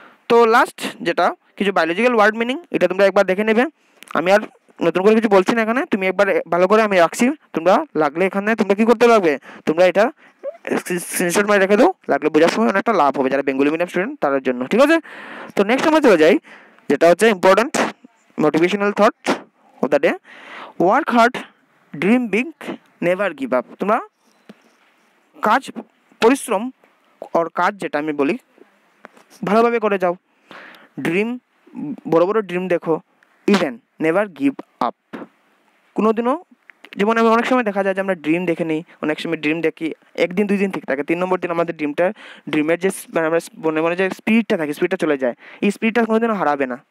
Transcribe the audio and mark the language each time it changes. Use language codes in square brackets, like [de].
[bn] তো লাস্ট যেটা কিছু বায়োলজিক্যাল ওয়ার্ড মিনিং, এটা তোমরা একবার দেখে নেবে, আমি আর নতুন করে কিছু বলছি না এখানে, তুমি একবার ভালো করে আমি রাখছি, তোমরা লাগলে এখানে তোমরা কী করতে লাগবে, তোমরা এটা স্ক্রিনশট মারে রেখে দাও, লাগলে বোঝার সময় অনেকটা লাভ হবে যারা বেঙ্গলি মিডিয়াম স্টুডেন্ট তাদের জন্য, ঠিক আছে? তো নেক্সট আমরা চলে যাই যেটা হচ্ছে important [en] motivational thought of the day. Work hard, dream big, never give up. [bn] তোমরা কাজ পরিশ্রম আর কাজ যেটা আমি বলি ভালোভাবে করে যাও, ড্রিম বড় বড় ড্রিম দেখো, ইভেন নেভার গিভ আপ। কোনোদিনও যেমন আমি অনেক সময় দেখা যায় যে আমরা ড্রিম দেখে নিই, অনেক সময় ড্রিম দেখি একদিন দুই দিন ঠিক থাকে, তিন নম্বর দিন আমাদের ড্রিমটা ড্রিমের যে মানে আমরা মনে মনে যে স্পিরিটটা থাকে স্পিরিটটা চলে যায়, এই স্পিরিটটা কোনোদিনও হারাবে না।